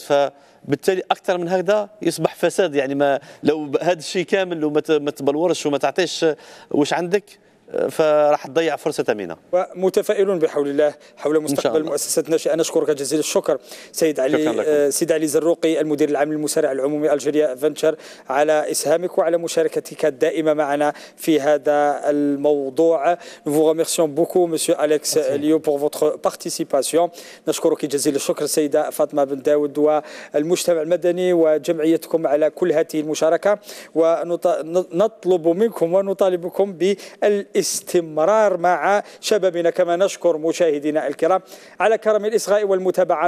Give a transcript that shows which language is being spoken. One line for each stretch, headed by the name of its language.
Arabic: فبالتالي اكثر من هكذا يصبح فساد، يعني ما لو هذا الشيء كامل وما تبلورش وما تعطيش واش عندك فراح تضيع فرصة ثمينة. ومتفائلون بحول الله حول مستقبل المؤسسات الناشئة. نشكرك جزيل الشكر سيد علي زروقي المدير العام للمسارع العمومي ألجيريا فنتشر على إسهامك وعلى مشاركتك الدائمة معنا في هذا الموضوع.
French: Nous vous remercions beaucoup monsieur Alex Liu pour votre participation.
Arabic: نشكرك جزيل الشكر سيدة فاطمة بن داود والمجتمع المدني وجمعيتكم على كل هذه المشاركة، ونطلب منكم ونطالبكم بال استمرار مع شبابنا. كما نشكر مشاهدينا الكرام على كرم الإصغاء والمتابعة.